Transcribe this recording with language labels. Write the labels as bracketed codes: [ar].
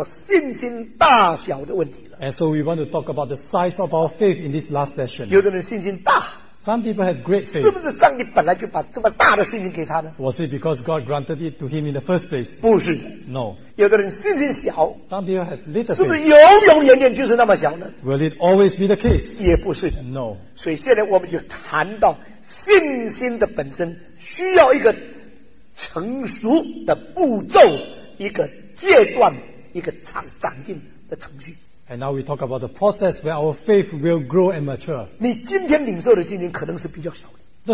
[zh] 今天最后一堂讲这一节我们也提到信心大小的问题了。 [en] And so we want to talk about the size of our faith in this last session. [zh] 有的人信心大。 [en] Some people have great faith. [zh] 是不是上帝本来就把这么大的信心给他呢? [en] Was it because God granted it to him in the first place? [zh] 不是。 [en] No. [zh] 有的人信心小。 [en] Some people have little faith. [zh] 是不是永永远远就是那么小呢? [en] Will it always be the case? [zh] 也不是。 [en] No. [zh] 所以现在我们就谈到信心的本身需要一个成熟的步骤，一个阶段，一个长进的程序。 [en] And now we talk about the process where our faith will grow and mature. [zh] 你今天领受的信心可能是比较小的。